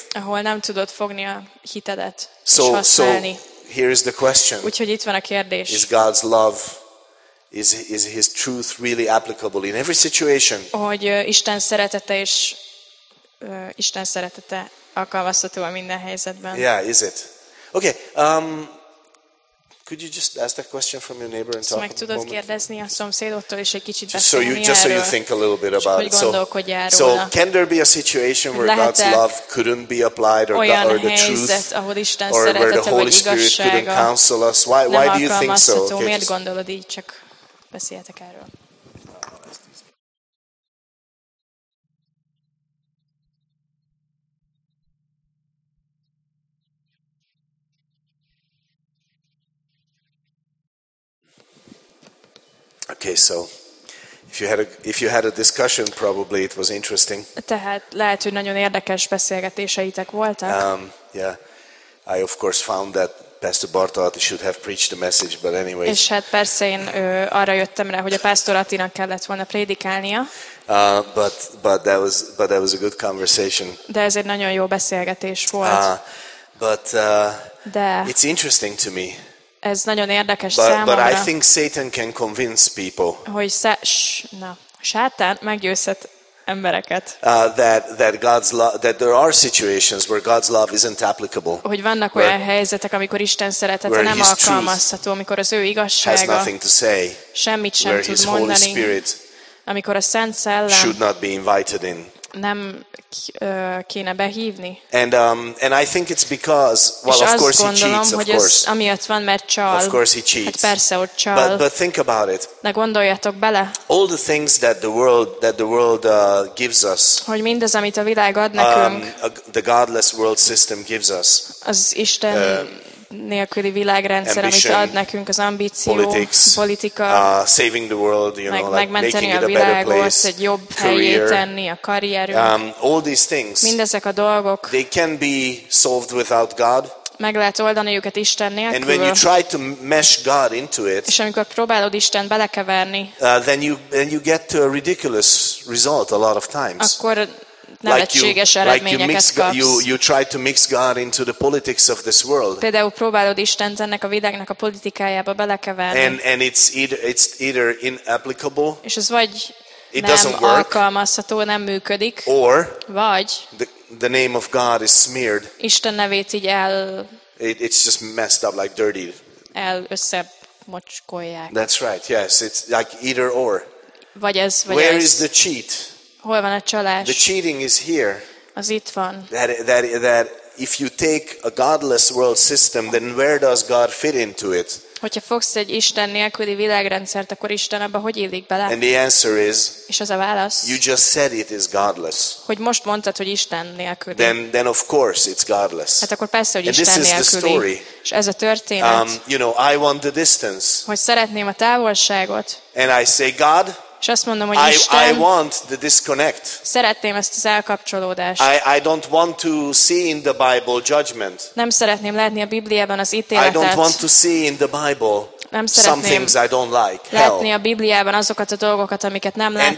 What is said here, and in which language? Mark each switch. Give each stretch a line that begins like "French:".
Hungarian: Ahol nem tudod fogni a hitedet,
English: so,
Hungarian: és használni.
English: So here is the question.
Hungarian: Úgyhogy itt van a kérdés.
English: Is God's love, is his truth really applicable in every situation?
Hungarian: Hogy Isten szeretete és Isten szeretete alkalmazható a minden helyzetben.
English: Yeah, is it? Okay, could you just ask that question from your neighbor and talk
Hungarian: meg tudod kérdezni a szomszédodtól és egy kicsit beszélni erről.
English: Just so you think a little bit about it. So can there be a situation where God's love couldn't be applied, or the truth,
Hungarian: ahol Isten szeretete,
English: or where the Holy Spirit couldn't counsel us? Why do you think so?
Hungarian: Okay, miért gondolod így, csak beszéljetek erről.
English: Okay, so if you had a discussion, probably it was interesting.
Hungarian: Tehát lehet, hogy nagyon érdekes beszélgetéseitek voltak.
English: I of course found that Pastor Bartolotti should have preached the message, but anyway.
Hungarian: És hát persze én arra jöttem rá, hogy a Pastor Attinak kellett volna prédikálnia.
English: But that was a good conversation.
Hungarian: De ez egy nagyon jó beszélgetés volt.
English: De it's interesting to me.
Hungarian: Ez nagyon érdekes számomra.
English: But I think Satan can convince people.
Hungarian: Hogy Sátán meggyőzhet embereket.
English: That there are situations where God's love isn't applicable.
Hungarian: Hogy vannak olyan helyzetek, amikor Isten szeretete nem alkalmazható, amikor az ő igazsága
English: has nothing to say,
Hungarian: semmit sem tud mondani, amikor a Szent Szellem
English: should not be invited in.
Hungarian: Nem kéne behívni.
English: And I think it's because, well, of course
Hungarian: gondolom,
English: he cheats, of
Hungarian: hogy
English: course.
Hungarian: Ez amiatt van, mert csal.
English: Of course he cheats.
Hungarian: Hát persze, hogy csal.
English: But think about it.
Hungarian: De gondoljatok bele.
English: All the things that the world gives us.
Hungarian: Hogy mindez, amit a világ ad nekünk.
English: The godless world system gives us.
Hungarian: Az Isten nélküli világrendszer,
English: ambition,
Hungarian: amit ad nekünk, az ambíció,
English: politics,
Hungarian: politika,
English: saving the world, you know,
Hungarian: megmenteni
English: like
Hungarian: a világot,
English: place,
Hungarian: egy jobb helyét tenni, a karrierünk,
English: all these things,
Hungarian: mindezek a dolgok,
English: they can be solved without God,
Hungarian: meg lehet oldani őket Isten nélkül,
English: and when you try to mesh God into it,
Hungarian: és amikor próbálod Isten belekeverni,
English: then you get to a ridiculous result a lot of times.
Hungarian: Akkor nevetséges eredményeket kapsz.
English: You try to mix God into the politics of this world.
Hungarian: Például próbálod Istent ennek a világnak a politikájába belekeverni.
English: And it's either inapplicable.
Hungarian: És ez vagy nem alkalmazható, nem működik.
English: Or
Hungarian: vagy
English: the name of God is smeared.
Hungarian: Isten nevét így el.
English: It's just messed up like dirty.
Hungarian: El összemocskolják.
English: That's right. Yes, it's like either or.
Hungarian: Vagy ez vagy
English: Where
Hungarian: ez.
English: Is the cheat?
Hungarian: Hol van a csalás?
English: The cheating is here.
Hungarian: Az itt van.
English: That if you take a godless world system, then where does God fit into it?
Hungarian: Hogyha fogsz egy Isten nélküli világrendszert, akkor Isten abba hogy illik bele?
English: And the answer is,
Hungarian: és az a válasz,
English: you just said it is godless.
Hungarian: Hogy most mondtad, hogy Isten nélküli.
English: Then of course it's godless.
Hungarian: Hát akkor persze, hogy
English: and
Hungarian: Isten nélküli.
English: And this is the story.
Hungarian: És ez a történet.
English: You know, I want the distance.
Hungarian: Hogy szeretném a távolságot.
English: And I say, God,
Hungarian: És azt mondom, hogy Isten,
English: I want the disconnect.
Hungarian: Szeretném ezt az elkapcsolódást.
English: I don't want to see in the Bible judgment.
Hungarian: Nem szeretném látni a Bibliában az ítéletet.
English: I don't want to see in the Bible some things I don't like.
Hungarian: Látni a Bibliában azokat a dolgokat, amiket nem látok,